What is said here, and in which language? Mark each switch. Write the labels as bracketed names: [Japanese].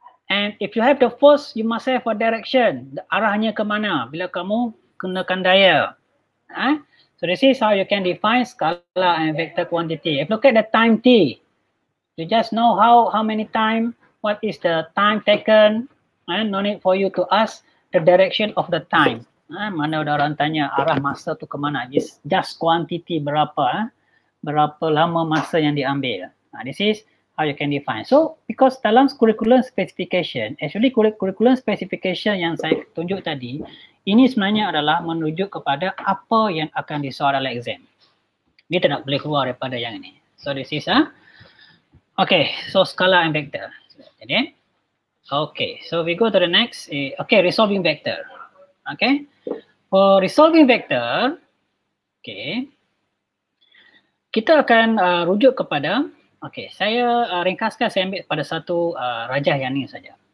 [English] And if you have the force, you must have a direction, [Malay] arahnya ke mana bila kamu gunakan daya. [English] So this is how you can define skala and vector quantity. If look at the time t, you just know how many time, what is the time taken, and no need for you to ask the direction of the time. [Malay] Mana ada orang tanya arah masa tu ke mana? [English] It's just quantity, [Malay] berapa lama masa yang diambil. [English] This is how you can define. [Malay] So because dalam curriculum specification, actually curriculum specification yang saya tunjuk tadi, ini sebenarnya adalah menunjuk kepada apa yang akan disoal dalam exam. Dia tidak boleh keluar daripada yang ini. [English] So this is okay, so skala and vector. Jadi, okay, so we go to the next. Okay, resolving vector. [Malay] Okay, for resolving vector, okay, kita akan rujuk kepada, okay, saya ringkaskan, saya ambil pada satu rajah yang ini saja.